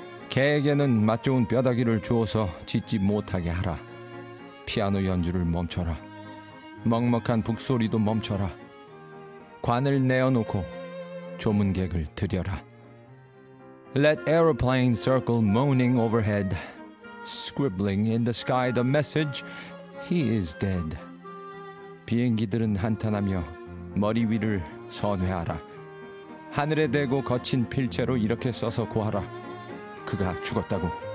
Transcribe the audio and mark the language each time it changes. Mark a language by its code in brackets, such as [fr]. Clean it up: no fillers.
[ko] 개에게는 맛 좋은 뼈다귀를 주어서 짖지 못하게 하라. 피아노 연주를 멈춰라. 먹먹한 북소리도 멈춰라. 관을 내어놓고 조문객을 들여라. [en] Let aeroplanes circle moaning overhead, scribbling in the sky the message, he is dead. [ko] 비행기들은 한탄하며 머리 위를 선회하라. 하늘에 대고 거친 필체로 이렇게 써서 고하라. 그가 죽었다고.